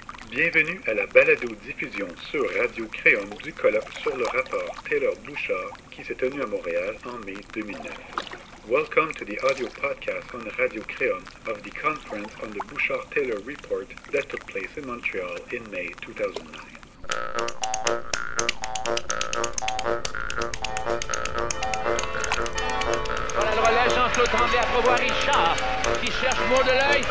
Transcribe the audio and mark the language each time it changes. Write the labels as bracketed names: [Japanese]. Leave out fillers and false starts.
[French] Bienvenue à la balado-diffusion sur Radio Créon du colloque sur le rapport Taylor-Bouchard qui s'est tenu à Montréal en mai 2009. [English] Welcome to the audio podcast on Radio Créon of the conference on the Bouchard-Taylor report that took place in Montreal in May 2009. [French] Le relais, Jean-Claude Tremblay approuve Richard qui cherche mot de l'œil.